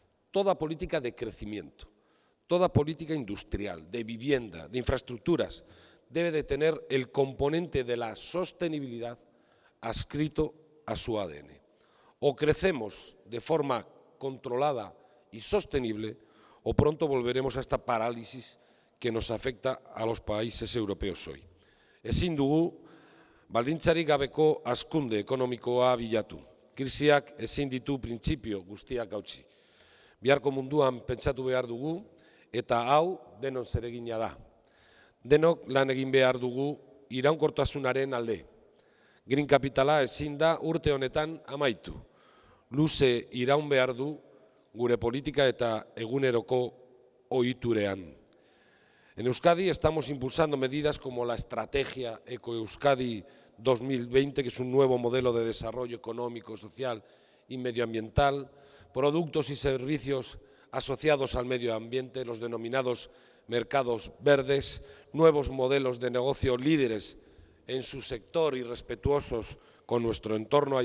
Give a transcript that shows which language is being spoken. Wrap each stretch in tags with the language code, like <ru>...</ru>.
<es>Toda política de crecimiento, toda política industrial, de vivienda, de infraestructuras, debe de tener el componente de la sostenibilidad adscrito a su ADN. O crecemos de forma controlada y sostenible, o pronto volveremos a esta parálisis que nos afecta a los países europeos hoy.</es> <eu>Ezin dugu baldintzarik gabeko hazkunde ekonomikoa bilatu. Krisiak ezin ditu printzipio guztiak hautsi. Biharko munduan pentsatu behar dugu, eta hau denon zeregina da. Denok lan egin behar dugu iraunkortasunaren alde. Green Capitala ezin da urte honetan amaitu. Luze iraun behar du gure politika eta eguneroko ohiturean.</eu> <es>En Euskadi estamos impulsando medidas como la Estrategia Eco Euskadi 2020, que es un nuevo modelo de desarrollo económico, social y medioambiental, productos y servicios asociados al medio ambiente, los denominados mercados verdes, nuevos modelos de negocio líderes en su sector y respetuosos con nuestro entorno.</es>